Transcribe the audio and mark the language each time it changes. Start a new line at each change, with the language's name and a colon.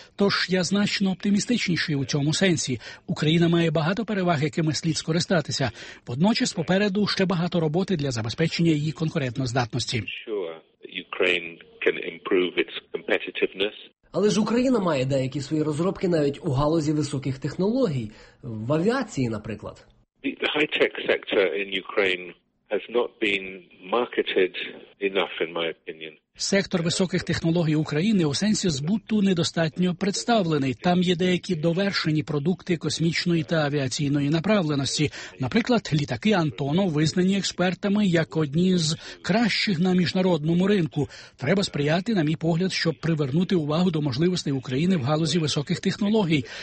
Ukrainian: Тож я значно оптимістичніший у цьому сенсі. Україна має багато переваг, якими слід скористатися. Водночас попереду ще багато роботи для забезпечення її конкурентоздатності.
English: Ukraine can improve its competitiveness.
Ukrainian: Але ж Україна має деякі свої розробки навіть у галузі високих технологій, в авіації, наприклад.
English: The high-tech sector in Ukraine has not been marketed enough, in my opinion.
Ukrainian: Сектор високих технологій України у сенсі збуту недостатньо представлений. Там є деякі довершені продукти космічної та авіаційної направленості. Наприклад, літаки «Антонов» визнані експертами як одні з кращих на міжнародному ринку. Треба сприяти, на мій погляд, щоб привернути увагу до можливостей України в галузі високих технологій.